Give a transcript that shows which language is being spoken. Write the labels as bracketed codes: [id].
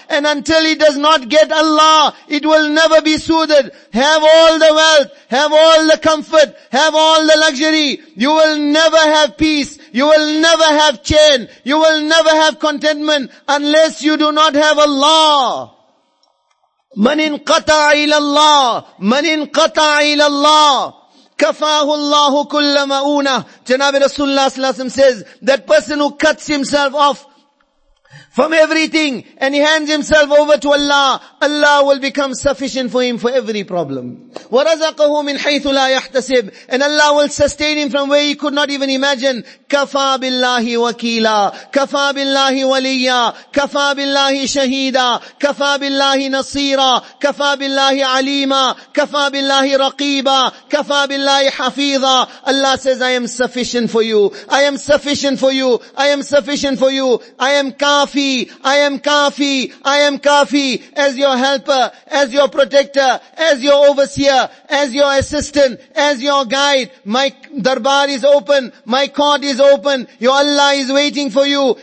[en] And until it does not get Allah, it will never be soothed. Have all the wealth, have all the comfort, have all the luxury. You will never have peace. You will never have chain. You will never have contentment unless you do not have Allah. [ar] من انقطع إلى الله من انقطع إلى الله كفاه الله كل مؤونة. [en] جناب رسول الله صلى الله عليه وسلم says that person who cuts himself off from everything and he hands himself over to Allah, Allah will become sufficient for him for every problem. [ar] ورزقه من حيث لا يحتسب, [en] and Allah will sustain him from where he could not even imagine. [ar] كفى بالله وكيلا, كفى بالله وليا, كفى بالله شهيدا, كفى بالله نصيرا, كفى بالله عليما, كفى بالله رقيبا, كفى بالله حفيظا. [en] Allah says, I am sufficient for you, I am sufficient for you, I am sufficient for you, I am kafi, I am kafi, I am kafi, as your helper, as your protector, as your overseer, as your assistant, as your guide. My darbar is open, my court is open, your Allah is waiting for you.